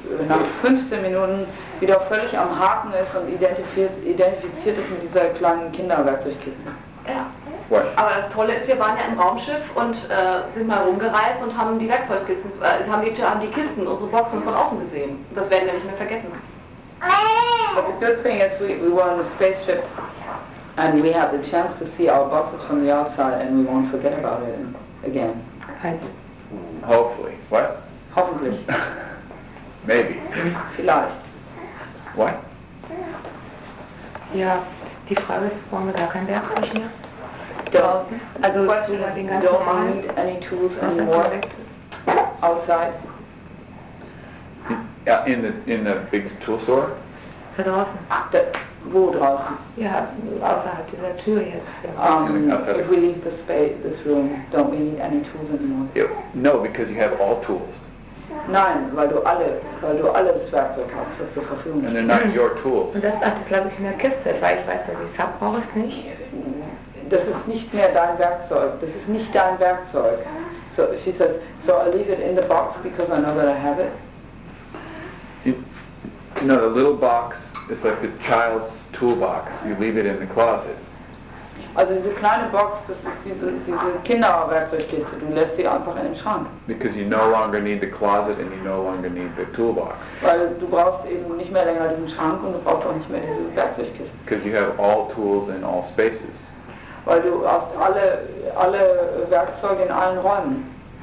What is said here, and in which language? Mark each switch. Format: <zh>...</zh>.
<de>Nach 15 Minuten wieder völlig am Haken ist und identifiziert ist mit dieser kleinen Kinderwerkzeugkiste. Ja.</de> <en>What?</en> <de>Aber das Tolle ist, wir waren ja im Raumschiff und sind mal rumgereist und haben die Werkzeugkisten, haben die Kisten, unsere Boxen von außen gesehen. Das werden wir nicht mehr vergessen.</de> <en>But the good thing is, we were on a spaceship. And we have the chance to see our boxes from the outside and we won't forget about it again. Hopefully. What? Hopefully. Maybe.</en> <de>Vielleicht.</de> <en>What?</en> <de>Ja, die Frage ist, brauchen wir gar kein Werkzeug mehr? Draußen?</de> <en>Also, the question is, don't we need any tools anymore outside? In the big tool store?</en> <de>Da draußen. Wo draußen? Ja, außerhalb dieser Tür jetzt.</de> <en>If we leave the space, this room, don't we need any tools anymore? Yeah. No, because you have all tools.</en> <de>Nein, weil du alle das Werkzeug hast, was zur Verfügung steht.</de> <en>And they're not your tools.</en> <de>Und das lasse ich in der Kiste, weil ich weiß, dass ich es habe, brauche ich es nicht. Das ist nicht mehr dein Werkzeug. Das ist nicht dein Werkzeug.</de> <en>So she says, so I leave it in the box because I know that I have it. No, the little box it's like the child's toolbox. You leave it in the closet.</en> <de>Also diese kleine Box, das ist diese Kinderwerkzeugkiste, du lässt sie einfach in den Schrank.</de> <en>Because you no longer need the closet and you no longer need the toolbox.</en> <de>Weil du brauchst eben nicht mehr länger diesen Schrank und du brauchst auch nicht mehr diese Werkzeugkiste.</de> <en>Because you have all tools in all spaces.</en> <de>Weil du hast alle Werkzeuge in allen Räumen.</de>